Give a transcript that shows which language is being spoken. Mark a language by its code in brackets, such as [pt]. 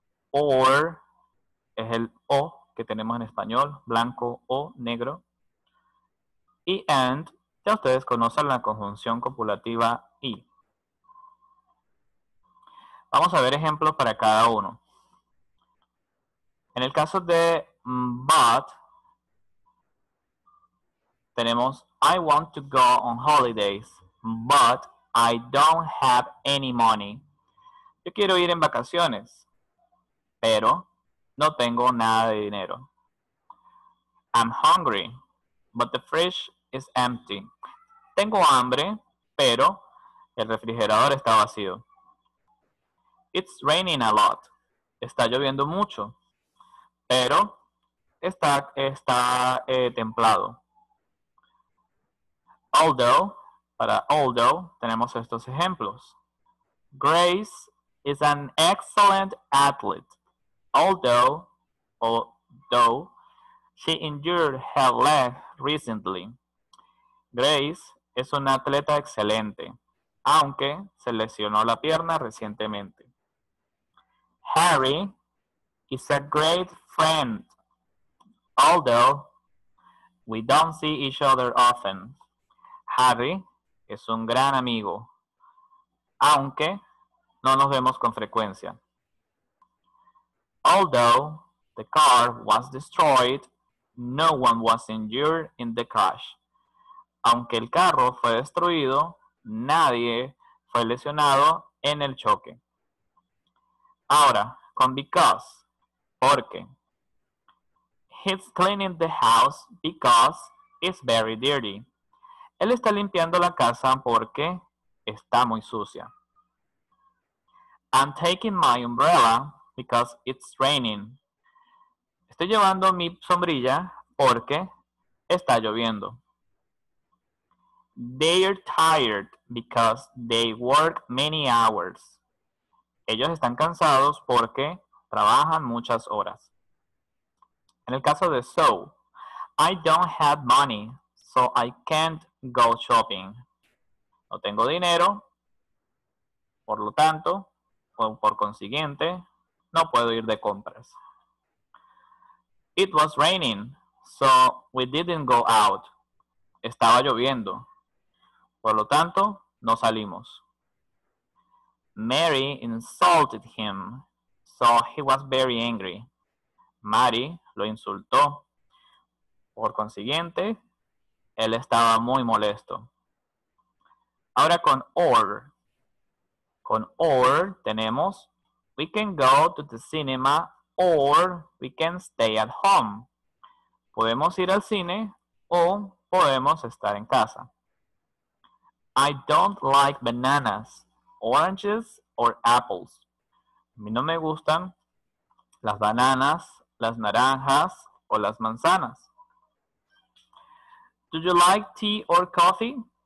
[es] Or es el o que tenemos en español, blanco o negro. Y and, ya ustedes conocen la conjunción copulativa y. Vamos a ver ejemplos para cada uno. En el caso de [en] but, [es] tenemos [en] I want to go on holidays, but I don't have any money. [es] Yo quiero ir en vacaciones, pero no tengo nada de dinero. [en] I'm hungry, but the fridge is empty. [es] Tengo hambre, pero el refrigerador está vacío. [en] It's raining a lot. [es] Está lloviendo mucho, pero está templado. [en] Although, [es] para [en] although, [es] tenemos estos ejemplos. [en] Grace is an excellent athlete. although she injured her leg recently. [es] Grace es una atleta excelente, aunque se lesionó la pierna recientemente. [en] Harry is a great friend, although we don't see each other often. [es] Harry es un gran amigo, aunque no nos vemos con frecuencia. [en] Although the car was destroyed, no one was injured in the crash. [es] Aunque el carro fue destruido, nadie fue lesionado en el choque. Ahora, con because, porque. [en] He's cleaning the house because it's very dirty. [es] Él está limpiando la casa porque está muy sucia. [en] I'm taking my umbrella because it's raining. [es] Estoy llevando mi sombrilla porque está lloviendo. [en] They're tired because they work many hours. [es] Ellos están cansados porque trabajan muchas horas. En el caso de [en] so, I don't have money, so I can't go shopping. [es] No tengo dinero, por lo tanto, o por consiguiente, no puedo ir de compras. [en] It was raining, so we didn't go out. [es] Estaba lloviendo. Por lo tanto, no salimos. [en] Mary insulted him, so he was very angry. [es] Mary lo insultó. Por consiguiente, él estaba muy molesto. Ahora con or. Con or tenemos, [en] we can go to the cinema or we can stay at home. [es] Podemos ir al cine o podemos estar en casa. [en] I don't like bananas, oranges, or apples. [es] A mí no me gustan las bananas, las naranjas, o las manzanas. [en] Do you like tea or coffee?